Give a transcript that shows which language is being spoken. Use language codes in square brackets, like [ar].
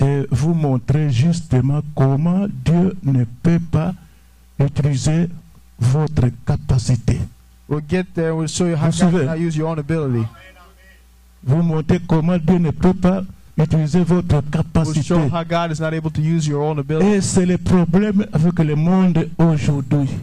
[fr] Et vous montrer justement comment Dieu ne peut pas utiliser votre capacité. [en] We'll get there. We'll show you how [fr] vous [en] God cannot use your own ability. [fr] Vous montrez comment Dieu ne peut pas utiliser votre capacité. [en] We'll show how God is not able to use your own ability. [fr] Et c'est le problème avec le monde aujourd'hui.